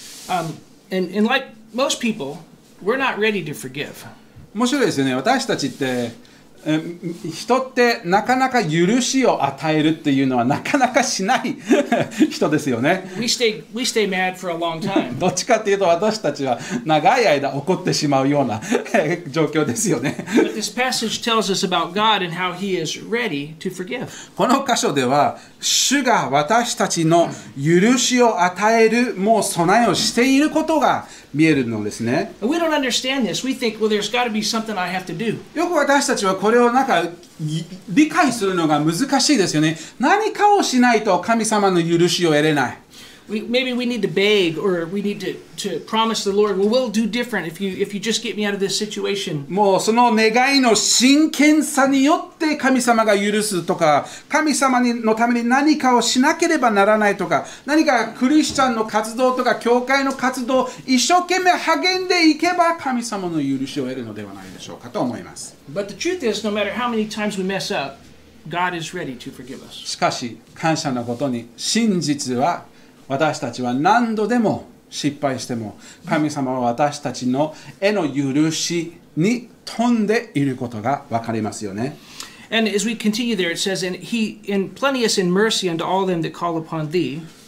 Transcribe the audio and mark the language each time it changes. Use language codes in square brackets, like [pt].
[en] And like most people, we're not ready to forgive. [ja] 面白いですよね。私たちって、人ってなかなか許しを与えるっていうのはなかなかしない人ですよね。 [en] We stay mad for a long time. [ja] どっちかっていうと私たちは長い間怒ってしまうような状況ですよね。 [en] But this passage tells us about God and how He is ready to forgive. [ja] この箇所では主が私たちの許しを与えるもう備えをしていることが見えるのですね。 [en] We don't understand this. We think, well, there's got to be something I have to do. [ja] よく私たちはこれをなんか理解するのが難しいですよね。何かをしないと神様の許しを得れない。 [en] Maybe we need to beg or we need to promise the Lord, well, we'll do different if you just get me out of this situation. [ja] もうその願いの真剣さによって神様が許すとか、神様のために何かをしなければならないとか、何かクリスチャンの活動とか教会の活動一生懸命励んでいけば神様の許しを得るのではないでしょうかと思います。 [en] But the truth is, no matter how many times we mess up, God is ready to forgive us. [ja] しかし感謝のことに真実は私たちは何度でも失敗しても神様は私たちの絵の許しに富んでいることが分かりますよね。 [en] And as we continue there, it says, and he in plenteous in mercy unto all them that call upon thee.